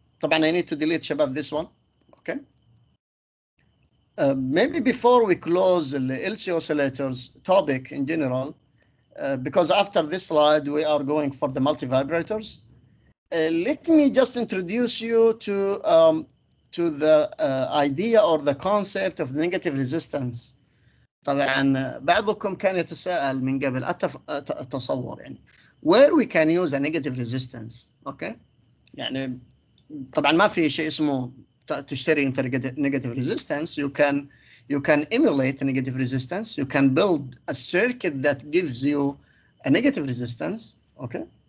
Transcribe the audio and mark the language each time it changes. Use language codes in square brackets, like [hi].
[ar] طبعا [en] I need to delete [ar] شباب [en] this one. Okay. Maybe before we close the LC oscillators topic in general, because after this slide we are going for the multivibrators. Let me just introduce you to the idea or the concept of the negative resistance. [ar] طبعا بعضكم كان يتساءل من قبل التصور يعني [en] where we can use a negative resistance. Okay. [ar] يعني طبعا ما في شيء اسمه تشتري انت [en] negative resistance you can emulate negative resistance you can build a circuit that gives you a negative resistance okay